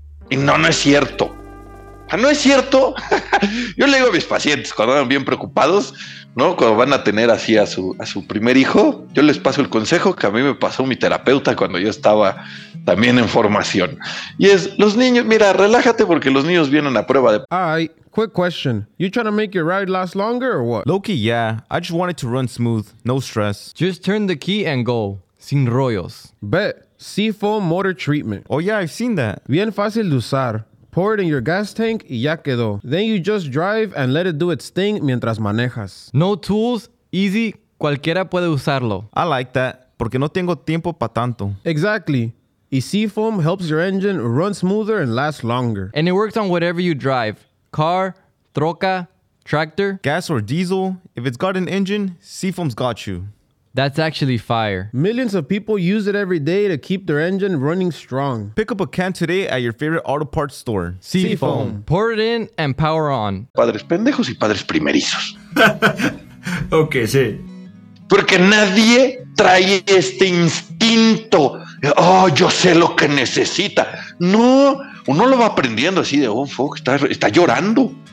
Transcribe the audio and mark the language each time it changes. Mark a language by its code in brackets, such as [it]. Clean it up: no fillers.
[es] Y no es cierto. No es cierto. Yo le digo a mis pacientes cuando andan bien preocupados, ¿no? Cuando van a tener así a su primer hijo, yo les paso el consejo que a mí me pasó mi terapeuta cuando yo estaba también en formación. Y es, los niños, mira, relájate porque los niños vienen a prueba de... [en] Hi, quick question. You trying to make your ride last longer or what? Low-key, yeah. I just want it to run smooth, no stress. Just turn the key and go. [es] Sin rollos. [en] Bet. Seafoam motor treatment. Oh yeah, I've seen that. [es] Bien fácil de usar. [en] Pour it in your gas tank [es] y ya quedó. [en] Then you just drive and let it do its thing [es] mientras manejas. [en] No tools, easy, [es] cualquiera puede usarlo. [en] I like that, [es] porque no tengo tiempo pa tanto. [en] Exactly. Y Seafoam helps your engine run smoother and last longer. And it works on whatever you drive. Car, troca, tractor. Gas or diesel. If it's got an engine, Seafoam's got you. That's actually fire. Millions of people use it every day to keep their engine running strong. Pick up a can today at your favorite auto parts store. Seafoam. Pour it in and power on. [es] Padres pendejos y padres primerizos. Ok, sí. Porque nadie trae este instinto. Oh, yo sé lo que necesita. No, uno lo va aprendiendo así de, oh, fuck, está llorando.